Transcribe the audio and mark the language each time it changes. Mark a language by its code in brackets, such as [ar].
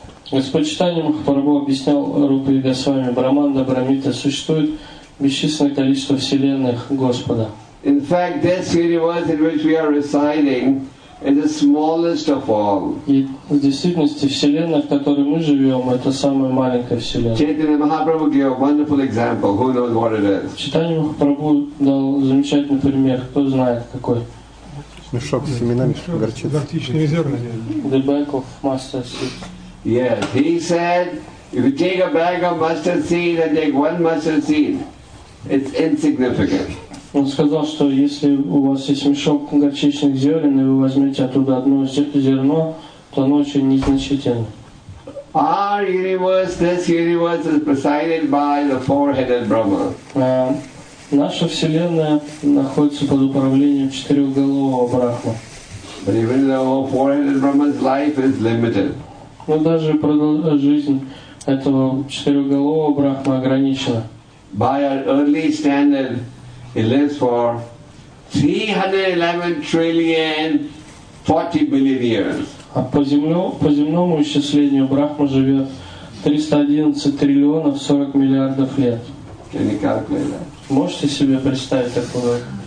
[ru] Господь Чайтанья Махапрабху объяснял Рупе Госвами, Брахманда Брахмите, существует бесчисленное количество вселенных Господа. [en] In fact, this universe in which we are residing is the smallest of all. [ru] И в действительности вселенная, в которой мы живем, это самая маленькая вселенная. [en] Chaitanya Mahaprabhu gave a wonderful example. Who knows what it is? [ru] Чайтанья Махапрабху дал замечательный пример. Кто знает какой? Мешок с семенами, горчицы. Горчичные зерна. [en] The bag of mustard seed. Yes, he said, if you take a bag of mustard seed and take one mustard seed, it's insignificant. [ru] Он сказал, что если у вас есть мешок горчичных зерен, и вы возьмете оттуда одно зерно, то оно очень незначительно. [en] Our universe, this universe is presided by the four-headed Brahma. [ru] Наша вселенная находится под управлением четырехголового Брахма. [en] But even though four-headed Brahma's life is limited. [ru] Но даже жизнь этого четырехголового Брахма ограничена. [en] By our early standard, it lives for 311 trillion 40 billion years. [ru] А по земному исчислению Брахма живет 311 триллионов 40 миллиардов лет. [en] Can you calculate that? [ru] Можете себе представить такое?